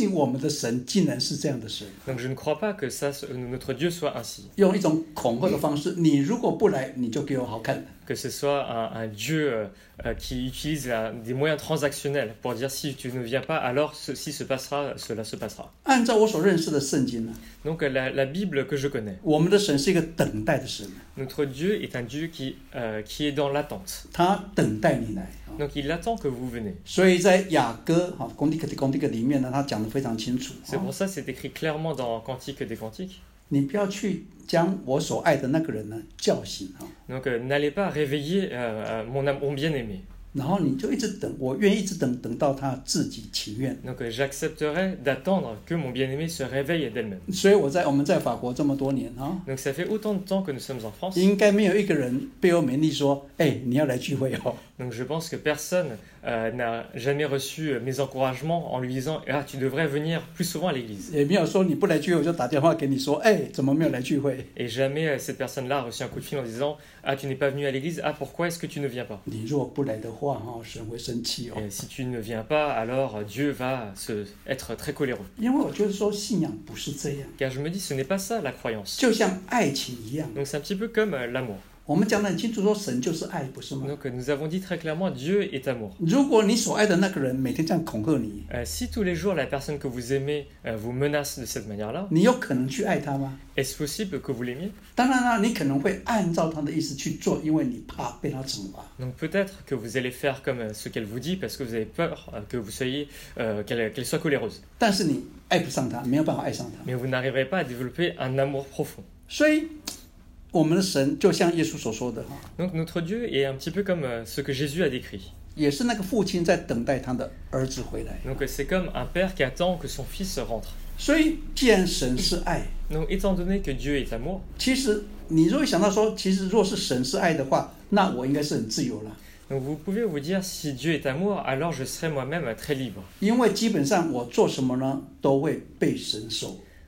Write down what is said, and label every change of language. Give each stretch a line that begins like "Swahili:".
French: Donc je ne crois pas que ça, notre Dieu soit ainsi.
Chinese: 用一种恐吓的方式，你如果不来，你就给我好看。
French: Que ce soit un Dieu qui utilise des moyens transactionnels pour dire si tu ne viens pas, alors ceci se passera, cela se passera.
Chinese: 按照我所认识的圣经呢？
French: Donc la Bible que je connais.
Chinese: 我们的神是一个等待的神。
French: Notre Dieu est un Dieu qui est dans l'attente.
Chinese: 他等待你来。
French: Donc il attend que vous venez.
Chinese: 所以在雅歌啊，公经的公经里面呢，他讲的非常清楚。
French: C'est pour ça, c'est écrit clairement dans Cantique des Cantiques.
Chinese: 你不要去将我所爱的那个人呢叫醒啊。
French: Donc n'allez pas réveiller mon bien-aimé.
Chinese: 然后你就一直等，我愿意一直等，等到他自己情愿。
French: Donc j'accepterai d'attendre que mon bien-aimé se réveille d'elle-même.
Chinese: 所以我们在法国这么多年啊。
French: Donc ça fait autant de temps que nous sommes en France.
Chinese: 应该没有一个人被我勉励说，哎，你要来聚会哦。
French: Donc je pense que personne n'a jamais reçu mes encouragements en lui disant ah tu devrais venir plus souvent à l'église.
Chinese: 也没有说你不来聚会，我就打电话给你说，哎，怎么没有来聚会
French: ？Et jamais cette personne-là a reçu un coup de fil en disant ah tu n'es pas venu à l'église, ah pourquoi est-ce que tu ne viens pas ?
Chinese: 你如果不来的话哈，神会生气哦。
French: Et si tu ne viens pas, alors Dieu va se être très coléreux.
Chinese: 因为我觉得说信仰不是这样。
French: Car je me dis, ce n'est pas ça la croyance.
Chinese: 就像爱情一样。
French: Donc c'est un petit peu comme l'amour.
Chinese: 我们讲得很清楚，说神就是爱，不是吗
French: ？Donc nous avons dit très clairement, Dieu est amour.
Chinese: 如果你所爱的那个人每天这样恐吓你
French: ，si tous les jours la personne que vous aimez vous menace de cette manière-là,
Chinese: 你有可能去爱他吗
French: ？Est-ce possible que vous l'aimiez？
Chinese: 当然了，你可能会按照他的意思去做，因为你怕被他惩罚。
French: Donc peut-être que vous allez faire comme ce qu'elle vous dit parce que vous avez peur que vous soyez qu'elle soit coléreuse.
Chinese: 但是你爱不上他，没有办法爱上他。
French: Mais vous n'arriverez pas à développer un amour profond.
Chinese: 所以我们的神就像耶稣所说的
French: Donc notre Dieu est un petit peu comme ce que Jésus a décrit.
Chinese: 也是那个父亲在等待他的儿子回来。
French: Donc c'est comme un père qui attend que son fils rentre.
Chinese: 所以既然神是爱
French: Donc étant donné que Dieu est amour.
Chinese: 其实你如果想到说其实若是神是爱的话那我应该是很自由了。
French: Donc vous pouvez vous dire si Dieu est amour alors je serai moi-même très libre.
Chinese: 因为基本上我做什么呢都会被神收。